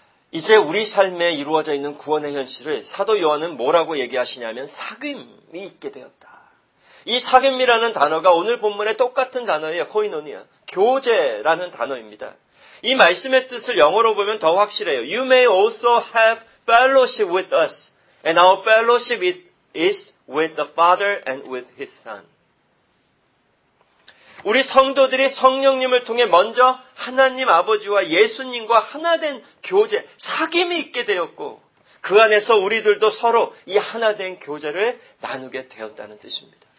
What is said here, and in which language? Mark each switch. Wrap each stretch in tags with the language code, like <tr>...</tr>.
<ko>이제 우리 삶에 이루어져 있는 구원의 현실을 사도 요한은 뭐라고 얘기하시냐면 사귐이 있게 되었다. 이 사귐이라는 단어가 오늘 본문에 똑같은 단어예요. 코이노니아, 교제라는 단어입니다. 이 말씀의 뜻을 영어로 보면 더 확실해요.</ko> <en>You may also have fellowship with us. And our fellowship is with the Father and with His Son.</en> <ko>우리 성도들이 성령님을 통해 먼저 하나님 아버지와 예수님과 하나된 교제, 사귐이 있게 되었고 그 안에서 우리들도 서로 이 하나된 교제를 나누게 되었다는 뜻입니다.</ko>